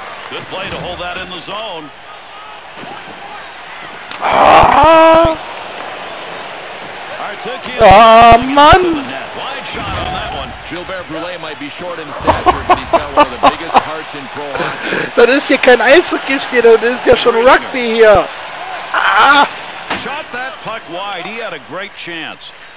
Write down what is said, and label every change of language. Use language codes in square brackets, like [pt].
[en] Good play to hold that in the zone. Ah! Ah, Mann! Wide shot on that one. Gilbert Brule might be short in stature, but he's got one of the biggest hearts in pro hockey. [de] Das ist hier kein Eishockey-Spiel, das ist ja schon Rugby hier. Ah! [en] Shot that puck wide. He had a great chance.